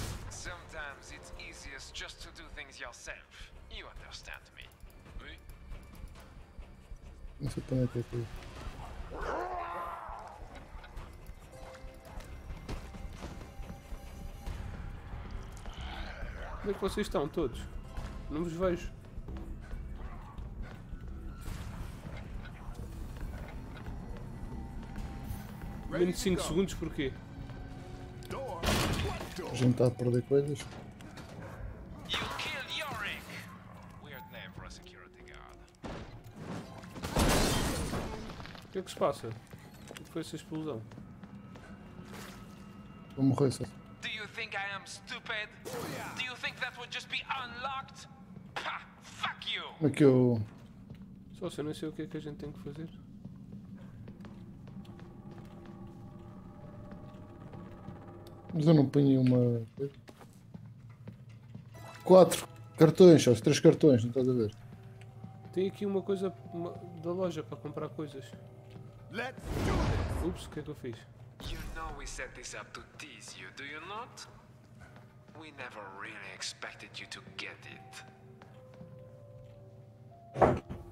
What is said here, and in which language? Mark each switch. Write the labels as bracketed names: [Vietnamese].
[English] Sometimes it's easiest just to do things yourself. You understand me. [Portuguese] Não sei para onde é que é aqui. Onde é que vocês estão todos? Não vos vejo. Menos de 5 segundos, porquê? A gente está a perder coisas. O que é que se passa? O que foi essa explosão? Vou morrer, sabe? [English] Do you think I am stupid? Do you think that would just be unlocked? [Portuguese] Ha! [English] Fuck you! [Portuguese] Como é que eu. Só se eu não sei o que é que a gente tem que fazer. Mas eu não ponho uma. 4 cartões, só 3 cartões, não estás a ver? Tenho aqui uma coisa da loja para comprar coisas. [English] Let's do this. [Portuguese] Ups, o que é que eu fiz? [English] You know we set this up to tease you, do you not? We never really expected you to get it.